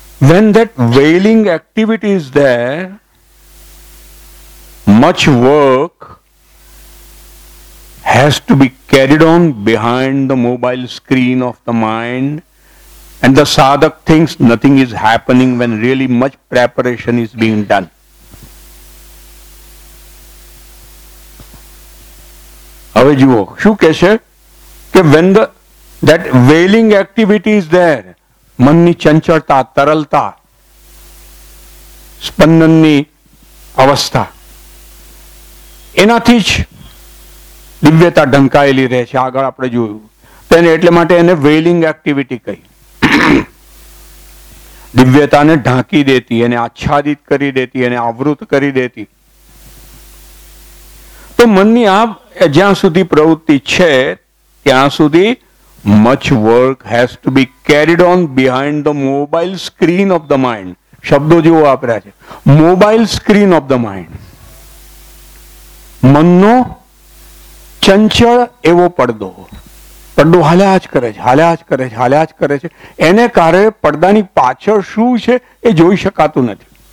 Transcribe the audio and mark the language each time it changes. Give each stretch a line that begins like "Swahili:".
English: When that veiling activity is there, much work has to be carried on behind the mobile screen of the mind, and the sadhak thinks nothing is happening when really much preparation is being done.
Gujarati: હવે જુઓ શું કહે છે કે
English: when that veiling activity is there,
Gujarati: મનની ચંચળતા, તરલતા, સ્પંદનની અવસ્થા, એનાથી જ દિવ્યતા ઢંકાયેલી રહે છે. આગળ આપણે જોયું તેને, એટલે માટે એને વેઇલિંગ એક્ટિવિટી કહી, દિવ્યતાને ઢાંકી દેતી, એને આચ્છાદિત કરી દેતી, એને આવૃત કરી દેતી. તો મનની આ જ્યાં સુધી પ્રવૃત્તિ છે ત્યાં સુધી
English: much work has to be carried on behind the mobile screen of the mind.
Gujarati: શબ્દો જેવો વાપર્યા છે,
English: mobile screen of the mind,
Gujarati: મનનો ચંચળ એવો પડદો, પડદો હાલ્યા જ કરે છે, હાલ્યા જ કરે છે, હાલ્યા જ કરે છે, એને કારણે પડદાની પાછળ શું છે એ જોઈ શકાતું નથી.